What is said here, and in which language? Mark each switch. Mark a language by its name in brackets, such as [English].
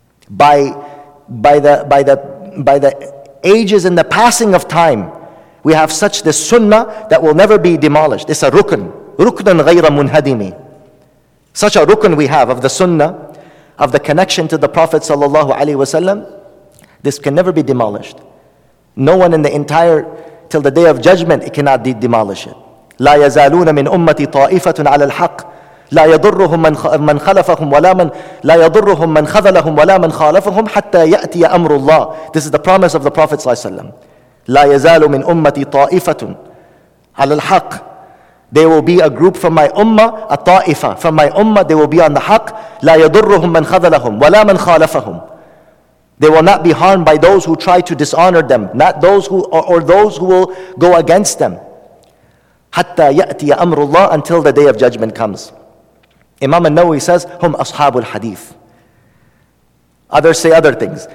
[English] By the ages and the passing of time, we have such this sunnah that will never be demolished. It's a rukn. [Arabic] Ruknan غَيْرَ مُنْهَدِمِ. [English] Such a rukn we have of the sunnah, of the connection to the Prophet sallallahu alaihi wasallam. This can never be demolished. No one in the entire, till the day of judgment, it cannot demolish it. [Arabic] لا يزالون من أمتي طائفة على الحق لا يضرهم من خلفهم ولا من لا يضرهم من خذلهم ولا من خالفهم حتى يأتي أمر الله. [English] This is the promise of the Prophet [Arabic] صلى الله عليه وسلم. لا يزال من أمتي طائفة على الحق. [English] There will be a group from my ummah, a ta'ifa from my ummah. They will be on the haq. [Arabic] لا يضرهم من خذلهم ولا من خالفهم. [English] They will not be harmed by those who try to dishonor them, not those who or those who will go against them. [Arabic] Hatta yati amrullah, [English] until the day of judgment comes. Imam An-Nawawi says, [Arabic] hum ashabul hadith. [English] Others say other things.